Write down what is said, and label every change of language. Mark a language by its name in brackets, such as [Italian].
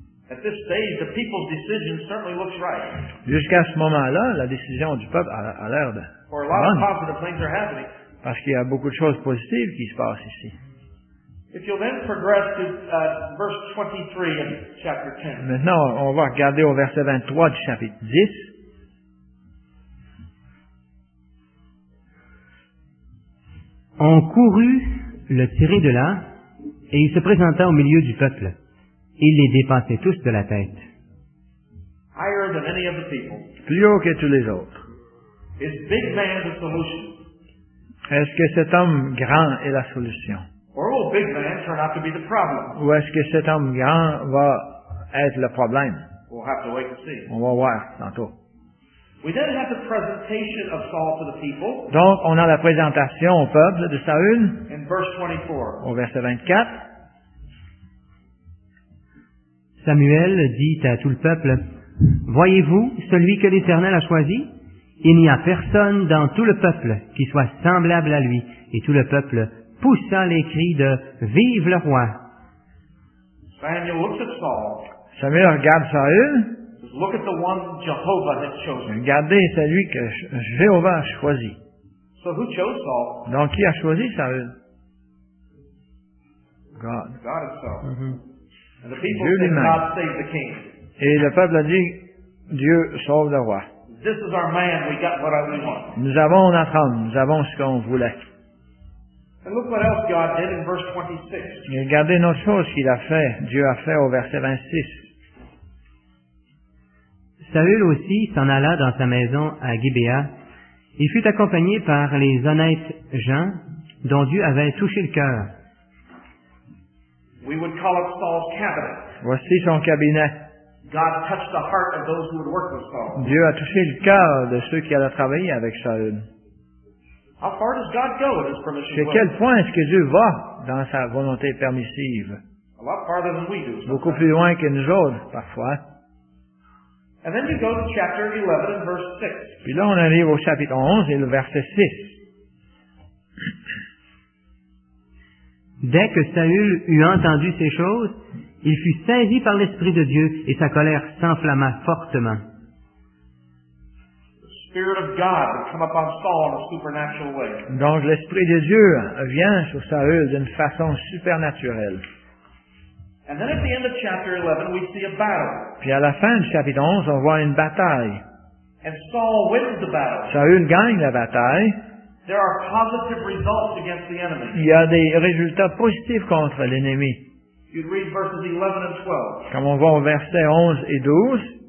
[English] At this stage, the people's decision certainly looks right. [French] Jusqu'à ce moment-là, la décision du peuple a l'air de [English] For a lot [French] bonne. [English] Of positive things are happening. [French] Parce qu'il y a beaucoup de choses positives qui se passent ici. [English] If you'll then progress to verse 23 in chapter 10. [French] Maintenant, on va regarder au verset 23 du chapitre 10. On courut le tirer de là, et il se présenta au milieu du peuple. Il les dépassait tous de la tête. [English] Higher than any of the people. [French] Plus haut que tous les autres. [English] Is big man the solution? [French] Est-ce que cet homme grand est la solution? [English] Or will big man turn out to be the problem? [French] Ou est-ce que cet homme grand va être le problème? [English] We'll have to wait and see. [French] On va voir tantôt. [English] We then have the presentation of Saul to the people. [French] Donc, on a la présentation au peuple de Saül. [English] In verse 24. [French] Au verset 24. Samuel dit à tout le peuple, « Voyez-vous celui que l'Éternel a choisi? Il n'y a personne dans tout le peuple qui soit semblable à lui. » Et tout le peuple poussa les cris de « Vive le roi! » Samuel regarde Saül. [English] Look at the one Jehovah had chosen. [French] Regardez celui que Jéhovah a choisi. [English] So who chose Saul? [French] Donc qui a choisi Saül? [English] God himself. Mm-hmm. And the people said, God save the king. [French] Et le peuple a dit, Dieu sauve le roi. [English] This is our man, we got what we want. [French] Nous avons notre homme, nous avons ce qu'on voulait. [English] And look what else God did in verse 26. [French] Et regardez une autre chose qu'il a fait, Dieu a fait au verset 26. Saül aussi s'en alla dans sa maison à Gibéa. Il fut accompagné par les honnêtes gens dont Dieu avait touché le cœur. [English] We would call it Saul's cabinet. [French] Voici son cabinet. [English] God touched the heart of those who would work with Saul. [French] Dieu a touché le cœur de ceux qui allaient travailler avec Saül. [English] How far does God go in his permission? [French] Jusqu'à quel point est-ce que Dieu va dans sa volonté permissive? [English] A lot farther than we do. [French] Beaucoup plus loin que nous autres, parfois. [English] And then you go to chapter 11 and verse 6. [French] Puis là, on arrive au chapitre 11 et le verset 6. Dès que Saül eut entendu ces choses, il fut saisi par l'Esprit de Dieu et sa colère s'enflamma fortement. Donc l'Esprit de Dieu vient sur Saül d'une façon supernaturelle. [English] And then at the end of chapter 11, we see a battle. [French] Puis à la fin du chapitre 11, on voit une bataille. [English] And Saul wins the battle. [French] Saül gagne la bataille. [English] There are positive results against the enemy. [French] Il y a des résultats positifs contre l'ennemi. [English] You'd read verses 11 and 12. [French] Comme on voit au verset 11 et 12.